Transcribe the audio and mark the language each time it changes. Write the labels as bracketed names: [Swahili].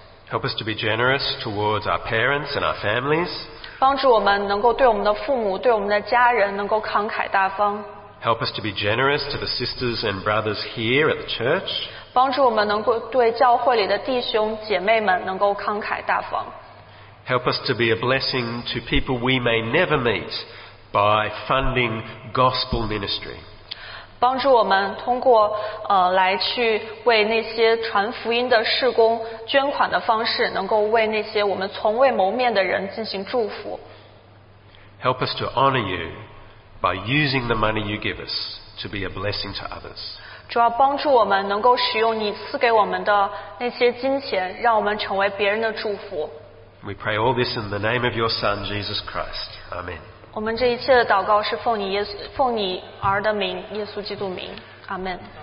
[English] Help us to be generous towards our parents and our families. [Chinese] 帮助我们能够对我们的父母对我们的家人能够慷慨大方 [English] Help us to be generous to the sisters and brothers here at the church [Chinese] 帮助我们能够对教会里的弟兄姐妹们能够慷慨大方 [English] Help us to be a blessing to people we may never meet by funding gospel ministry. [Chinese] 帮助我们通过来去为那些传福音的事工捐款的方式，能够为那些我们从未谋面的人进行祝福。 [English] Help us to honor you by using the money you give us to be a blessing to others. [Chinese] 主要帮助我们能够使用你赐给我们的那些金钱，让我们成为别人的祝福。 [English] We pray all this in the name of your Son Jesus Christ. Amen. [Chinese] 我们这一切的祷告是奉你耶稣奉你儿的名，耶稣基督名。阿门。